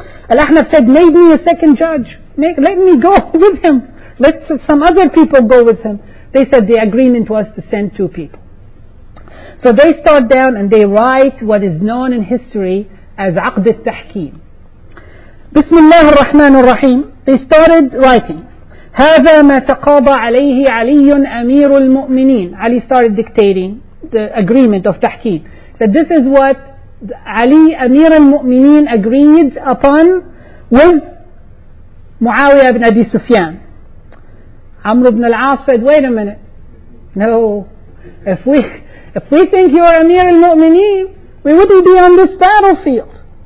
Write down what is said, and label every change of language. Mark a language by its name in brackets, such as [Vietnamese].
[English] Al-Ahnaf said, made me a second judge. Let me go with him. Let some other people go with him. They said the agreement was to send two people. So they start down and they write what is known in history as Aqd al-Tahkim. Bismillah ar-Rahman ar-Rahim. They started writing. [Arabic] هذا ما تقاضى عليه علي أمير المؤمنين. [English] Ali started dictating the agreement of Tahkim. Said, this is what Ali, Amir al-Mu'mineen, agreed upon with Muawiyah ibn Abi Sufyan. Amr ibn al-As said, wait a minute. No. If we think you are Amir al-Mu'mineen, we wouldn't be on this battlefield.